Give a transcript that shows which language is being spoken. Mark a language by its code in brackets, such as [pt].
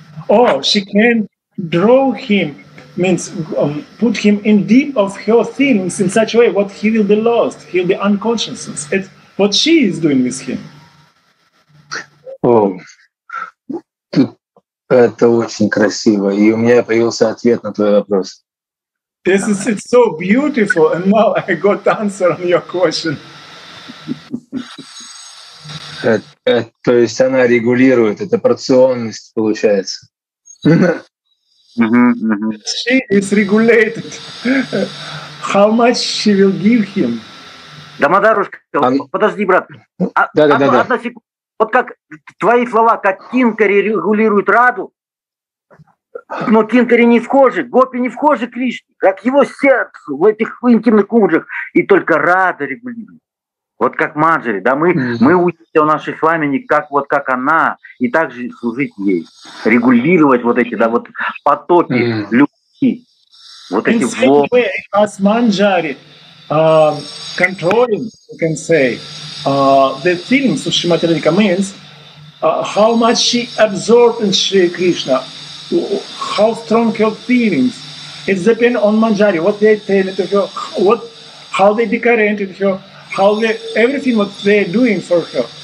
[en] Or she can draw him, means put him in deep of her feelings in such a way what he will be lost, he'll be unconsciousness. It's what she is doing with him. [ru] Oh, это очень красиво. И у меня появился ответ на твой вопрос. [en] This is it's so beautiful, and now I got the answer on your question. [ru] То есть она регулирует, это порционность получается. [en] She is regulated. How much she will give him? [ru] Дамодарушка, подожди, брат. Одна секунда. Вот как твои слова, как Кинкари регулирует Раду, но Кинкари не вхожи, Гопи не вхожи к Кришне, как его сердце в этих интимных куджах, и только Рада регулирует. Вот как Маджари, да, мы учимся у нашей с вами не как вот как она, и также служить ей, регулировать вот эти, да, вот потоки любви, вот эти волны. [en] Controlling, you can say, the feelings of Srimati Radhika means how much she absorbed in Sri Krishna, how strong her feelings. It depends on Manjari, what they tell to her, what, how they decorate her, how they, everything what they are doing for her.